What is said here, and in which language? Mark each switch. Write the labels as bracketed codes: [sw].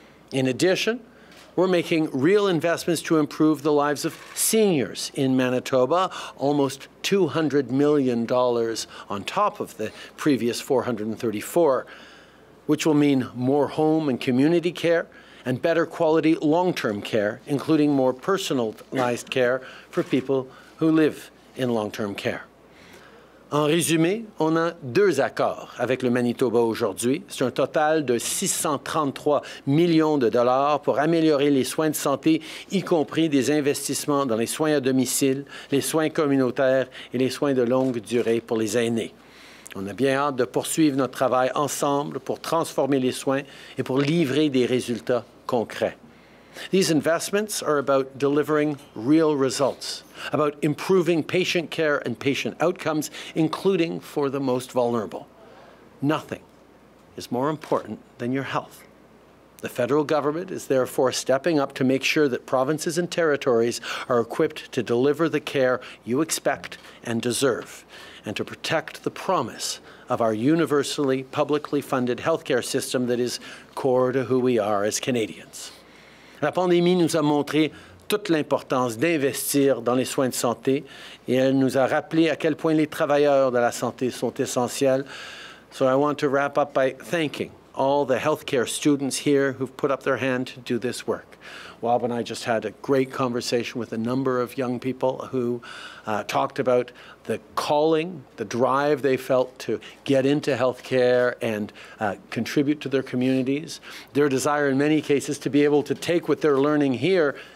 [en] In addition, we're making real investments to improve the lives of seniors in Manitoba, almost $200 million on top of the previous $434 million, which will mean more home and community care and better quality long-term care, including more personalized care for people who live in long-term care. [fr] En résumé, on a deux accords avec le Manitoba aujourd'hui. C'est un total de 633 millions de dollars pour améliorer les soins de santé, y compris des investissements dans les soins à domicile, les soins communautaires et les soins de longue durée pour les aînés. On a bien hâte de poursuivre notre travail ensemble pour transformer les soins et pour livrer des résultats concrets. [en] These investments are about delivering real results, about improving patient care and patient outcomes, including for the most vulnerable. Nothing is more important than your health. The federal government is therefore stepping up to make sure that provinces and territories are equipped to deliver the care you expect and deserve, and to protect the promise of our universally, publicly funded healthcare system that is core to who we are as Canadians. [fr] La pandémie nous a montré toute l'importance d'investir dans les soins de santé et elle nous a rappelé à quel point les travailleurs de la santé sont essentiels. [en] So I want to wrap up by thanking all the healthcare students here who've put up their hand to do this work. Wob and I just had a great conversation with a number of young people who talked about the calling, the drive they felt to get into healthcare and contribute to their communities, their desire in many cases to be able to take what they're learning here